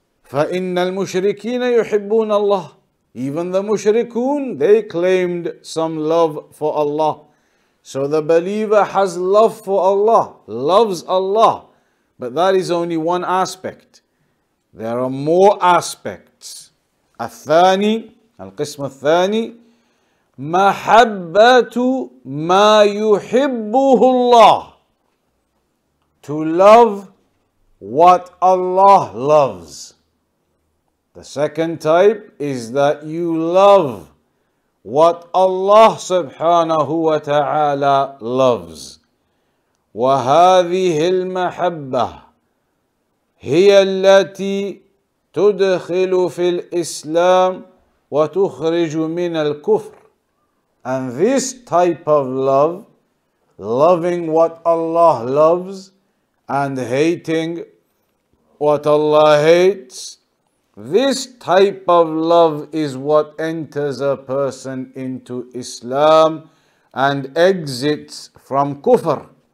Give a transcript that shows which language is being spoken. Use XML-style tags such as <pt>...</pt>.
<ar>فَإِنَّ الْمُشْرِكِينَ يُحِبُّونَ اللَّهِ.</ar> <en>Even the mushrikun, they claimed some love for Allah. So the believer has love for Allah, loves Allah. But that is only one aspect. There are more aspects.</en> <ar>الثاني, القسم الثاني, محبة ما يحبه الله.</ar> <en>To love what Allah loves. The second type is that you love what Allah subhanahu wa ta'ala loves.</en> <ar>وهذه المحبة هي التي تدخل في الإسلام وتخرج من الكفر.</ar> <en>And this type of love, loving what Allah loves and hating what Allah hates. This type of love is what enters a person into Islam and exits from kufr.</en>